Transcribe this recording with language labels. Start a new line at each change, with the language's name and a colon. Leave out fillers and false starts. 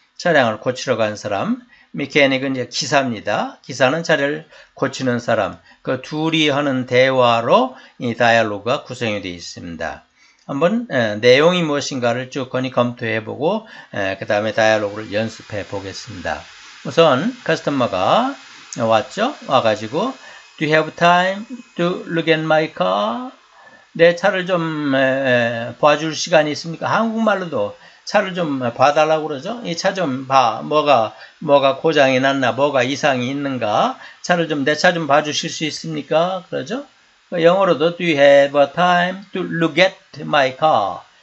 Korean: 차량을 고치러 간 사람. 미케닉은 이제 기사입니다. 기사는 차를 고치는 사람. 그 둘이 하는 대화로 이 다이얼로그가 구성이 되어 있습니다. 한번 내용이 무엇인가를 쭉 거니 검토해 보고 그 다음에 다이얼로그를 연습해 보겠습니다. 우선 커스터머가 왔죠. 와가지고
English: Do you have time to look at my car?
Korean: 내 차를 좀 봐줄 시간이 있습니까? 한국말로도 차를 좀 봐달라고 그러죠. 이 차 좀 봐. 뭐가 고장이 났나? 뭐가 이상이 있는가? 차를 좀 내 차 좀 봐주실 수 있습니까? 그러죠. 영어로도
English: Do you have a time to look at my car?